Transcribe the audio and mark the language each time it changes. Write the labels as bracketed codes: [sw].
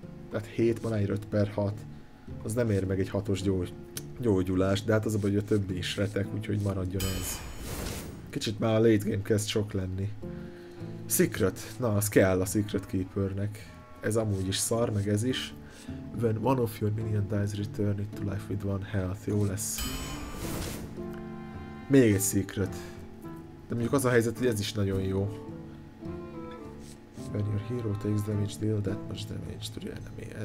[hu] Tehát 7 mana, 5x6. Az nem ér meg egy 6-os gyógyulást, de hát az a baj, hogy a többi is retek, úgyhogy maradjon ez. Kicsit már a late game kezd sok lenni. Secret. Na, az kell a Secret Keepernek. Ez amúgy is szar, meg ez is. [en] When one of your minion dies, return it to life with 1 health. [hu] Jó lesz. Még egy Secret. De mondjuk az a helyzet, hogy ez is nagyon jó. [en] When your hero takes damage, deal that much damage to the enemy.